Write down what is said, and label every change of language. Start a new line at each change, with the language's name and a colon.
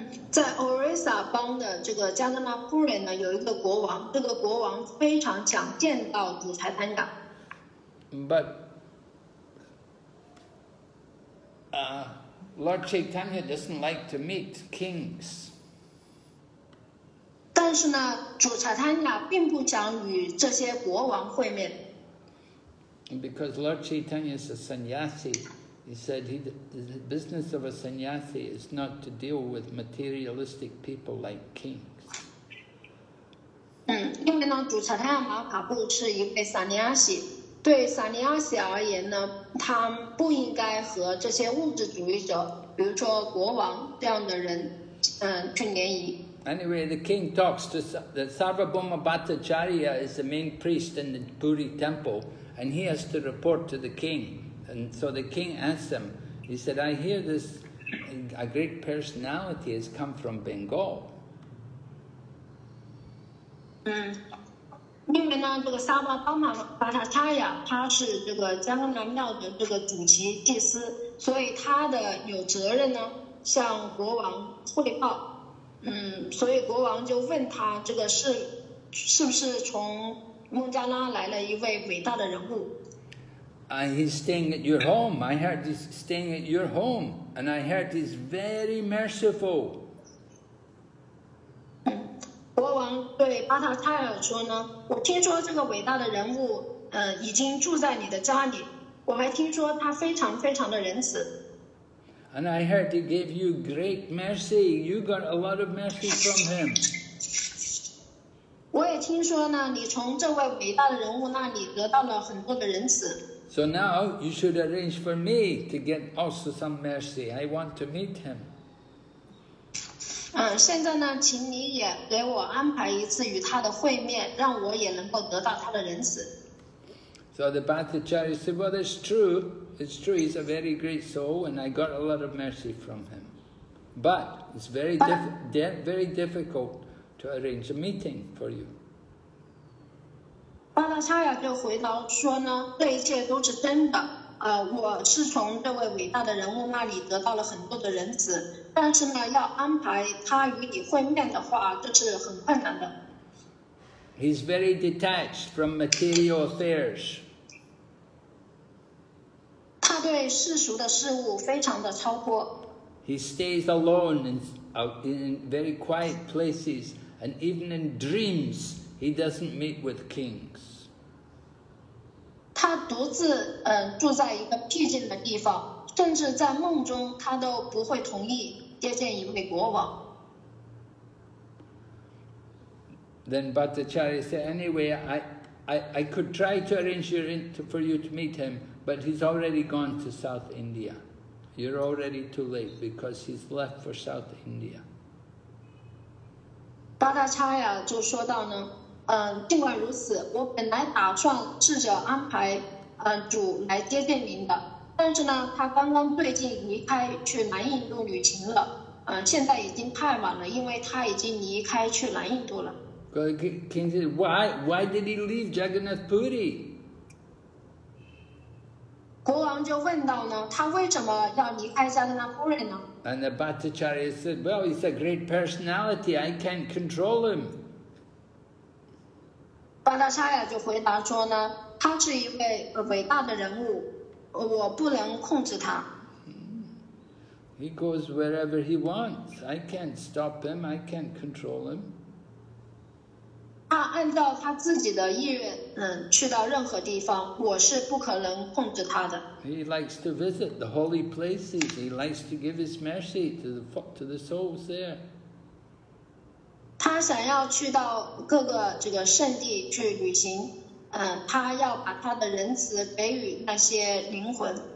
Chinese: 在 Orissa 邦的这个 Jagannath Puri 呢，有一个国王，这个国王非常想见到主财坦达。
English: But,Lord Chaitanya doesn't like to meet kings.
Chinese: 但是呢，主查坦雅并不想与这些国王会面。
English: Because Lord Chaitanya is a sannyasi, he said the business of a sannyasi is not to deal with materialistic people like kings.
Chinese: 因为呢，主查坦雅马卡布是一位 sannyasi。对萨尼亚西而言呢，他不应该和这些物质主义者，比如说国王这样的人，去联谊。
English: Anyway, the king talks to the Sarvabhauma Bhattacharya is the main priest in the Puri temple, and he has to report to the king. And so the king asks him. He said, "I hear this a great personality has come from Bengal."
Chinese: 因为呢，这个沙巴巴玛巴塔查亚他是这个加格纳庙的这个主席祭司，所以他的有责任呢向国王汇报。所以国王就问他，这个是不是从孟加拉来了一位伟大的人物
English: ？He's staying at your home. I heard he's staying at your home, and I heard he's very merciful.
Chinese: 国王对巴塔泰尔说呢，我听说这个伟大的人物已经住在你的家里，我还听说他非常非常的仁慈。
English: And I heard he gave you great mercy. You got a lot of mercy from him.
Chinese: 我也听说呢，你从这位伟大的人物那里得到了很多的仁慈。
English: So now you should arrange for me to get also some mercy. I want to meet him.
Chinese: 现在呢，请你也给我安排一次与他的会面，让我也能够得到他的仁慈。
English: So the Bhattacharya said, well, that's true. It's true, he's a very great soul, and I got a lot of mercy from him. But it's very difficult to arrange a meeting for you.
Chinese: Bhattacharya 就回答说呢，这一切都是真的。我是从这位伟大的人物那里得到了很多的仁慈，但是呢，要安排他与你会面的话，这是很困难的。
English: He's very detached from material affairs.
Chinese: 他对世俗的事物非常的超脱。
English: He stays alone in very quiet places, and even in dreams, he doesn't meet with kings.
Chinese: 他独自住在一个僻静的地方，甚至在梦中他都不会同意接见一位国王。
English: Then Bhattacharya said, anyway, I could try to arrange for you to meet him, but he's already gone to South India. You're already too late because he's left for South India.
Chinese: Bhattacharya 就说到呢，尽管如此，我本来打算试着安排主来接见您的，但是呢，他刚刚最近离开去南印度旅行了，现在已经太晚了，因为他已经离开去南印度了。
English: But the king said, why did he leave Jagannath Puri?
Chinese: 国王就问到呢，他为什么要离开 Jagannath Puri 呢？
English: And the Bhattacharya said, well, he's a great personality, I can't control him.
Chinese: Bhattacharya 就回答说呢，他是一位伟大的人物，我不能控制他。
English: He goes wherever he wants, I can't stop him, I can't control him.
Chinese: 他按照他自己的意愿，去到任何地方，我是不可能控制他的。
English: He likes to visit the holy places. He likes to give his mercy to the souls there.
Chinese: 他想要去到各个这个圣地去旅行，他要把他的仁慈给予那些灵魂。